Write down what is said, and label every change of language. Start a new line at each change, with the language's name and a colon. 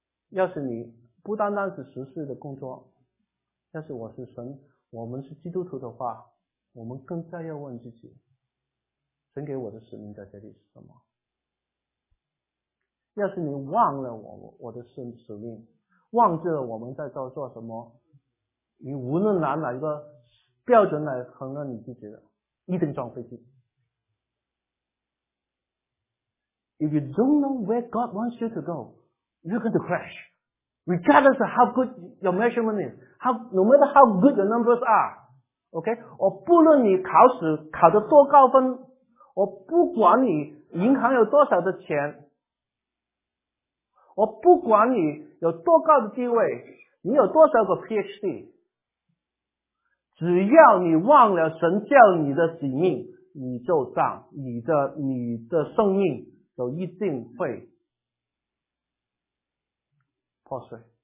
Chinese: 要是你不单单是实事的工作，要是我是神，我们是基督徒的话，我们更加要问自己，神给我的使命在这里是什么？要是你忘了我的使命，忘记了我们在做什么，你无论拿哪一个标准来衡量你自己的，一定撞飞机。
English: If you don't know where God wants you to go,You're going to crash. Regardless of how good your measurement is, no matter how good your numbers are, okay?
Chinese: 我不论你考试考得多高分，我不管你银行有多少的钱，我不管你有多高的地位，你有多少个 PhD, 只要你忘了神叫你的使命，你就葬，你的生命就一定会破碎。